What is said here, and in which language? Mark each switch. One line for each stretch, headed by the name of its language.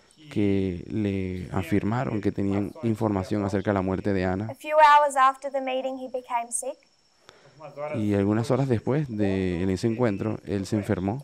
Spanish: Que le afirmaron que tenían información acerca de la muerte de Ana.
English: A few hours after the meeting, he became sick.
Spanish: Y algunas horas después de ese encuentro, él se enfermó.